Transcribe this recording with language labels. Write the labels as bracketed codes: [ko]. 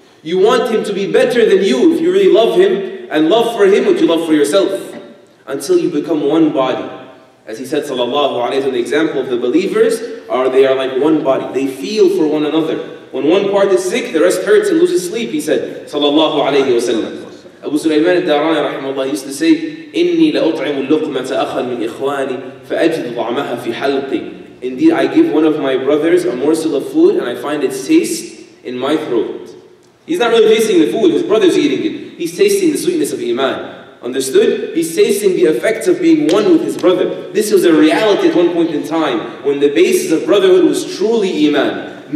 [en] You want him to be better than you if you really love him, and love for him what you love for yourself, until you become one body. As he said, sallallahu alayhi wa sallam, the example of the believers, they are like one body. They feel for one another. When one part is sick, the rest hurts and loses sleep, he said, sallallahu alayhi wa sallam. Abu Sulaiman al-Darani, rahimahullah, used to say, [ar] إِنِّي لَأُطْعِمُ اللُّقْمَةَ أَخًا مِنْ إِخْوَانِي فَأَجِدُ طَعْمَهَا فِي حَلْقِي. [en] Indeed, I give one of my brothers a morsel of food and I find its taste in my throat. He's not really tasting the food, his brother's eating it. He's tasting the sweetness of Iman. Understood? He's tasting the effects of being one with his brother. This was a reality at one point in time when the basis of brotherhood was truly Iman.